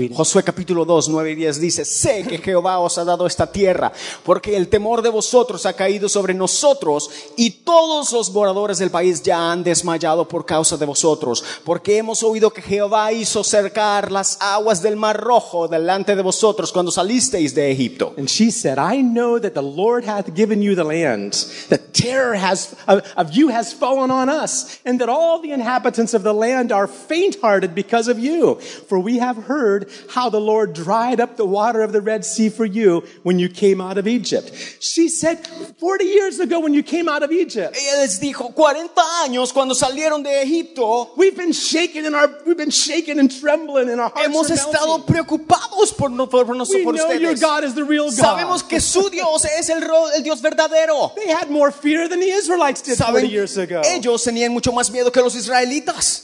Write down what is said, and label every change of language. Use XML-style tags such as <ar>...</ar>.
<es>Josué capítulo 2, 9 y 10 dice: sé que Jehová os ha dado esta tierra, porque el temor de vosotros ha caído sobre nosotros, y todos los moradores del país ya han desmayado por causa de vosotros, porque hemos oído que Jehová hizo cercar las aguas del Mar Rojo delante de vosotros cuando salisteis de Egipto.</es> <en>And she said, I know that the Lord hath given you the land. The terror of you has fallen on us, and that all the inhabitants of the land are faint-hearted because of you. For we have heard how the Lord dried up the water of the Red Sea for you when you came out of Egypt. She said, 40 years ago when you came out of Egypt.</en> <es>Ella les dijo, 40 años cuando salieron de Egipto.</es> <en>We've been shaken and trembling in our hearts.</en> <es>Hemos estado preocupados por nosotros.</es> <en>We know</en> <es>ustedes.</es> <en>Your God is the real God.</en> <es>Sabemos que su Dios es el Dios verdadero.</es> <en>They had more fear than the Israelites did 40 years ago.</en> <es>Ellos tenían mucho más miedo que los israelitas.</es>